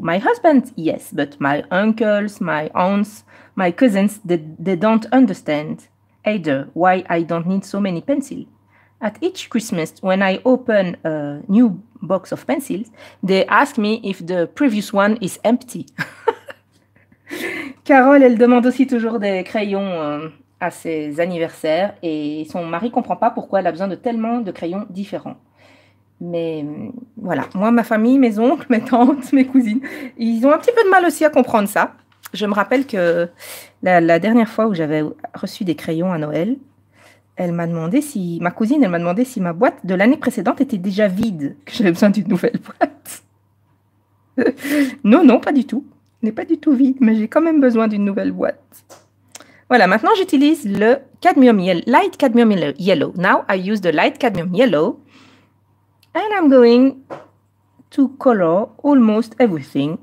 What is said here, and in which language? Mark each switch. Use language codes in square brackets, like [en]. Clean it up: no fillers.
[en] My husband, yes, but my uncles, my aunts, my cousins, they don't understand either why I don't need so many pencils. At each Christmas, when I open a new box of pencils, they ask me if the previous one is empty. [fr] Carole, elle demande aussi toujours des crayons à ses anniversaires et son mari comprend pas pourquoi elle a besoin de tellement de crayons différents. Mais voilà, moi, ma famille, mes oncles, mes tantes, mes cousines, ils ont un petit peu de mal aussi à comprendre ça. Je me rappelle que la dernière fois où j'avais reçu des crayons à Noël, elle m'a demandé si ma cousine, elle m'a demandé si ma boîte de l'année précédente était déjà vide, que j'avais besoin d'une nouvelle boîte. Non, non, pas du tout. N'est pas du tout vide, mais j'ai quand même besoin d'une nouvelle boîte. Voilà, maintenant j'utilise le cadmium light cadmium yellow. [en] Now I use the light cadmium yellow and I'm going to color almost everything.